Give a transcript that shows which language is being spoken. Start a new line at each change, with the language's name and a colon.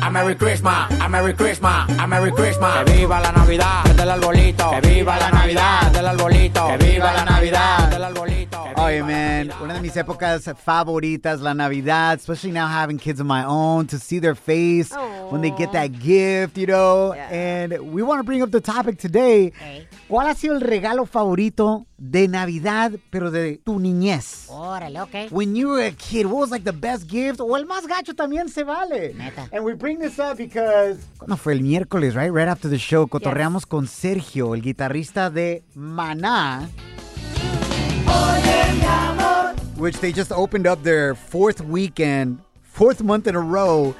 English: A Merry Christmas, a Merry Christmas,
Spanish: a Merry Christmas. Que viva la Navidad del arbolito. Que viva la Navidad del arbolito. Que viva la Navidad del arbolito.
English: Oye, man,
Spanish: una de mis épocas favoritas, la Navidad,
English: especially now having kids of my own, to see their face when they get that gift, you know? Yeah. And we want to bring up the topic today. Okay.
Spanish: ¿Cuál ha sido el regalo favorito de Navidad, pero de tu niñez? Órale, okay.
English: When you were a kid, what was like the best gift?
Spanish: O el más gacho también se vale. Neta.
English: And we bring this up because...
Spanish: ¿Cuándo fue el miércoles,
English: right? Right after the show,
Spanish: cotorreamos con Sergio, el guitarrista de Maná. Oye, mi amor.
English: Which they just opened up their fourth weekend, fourth month in a row.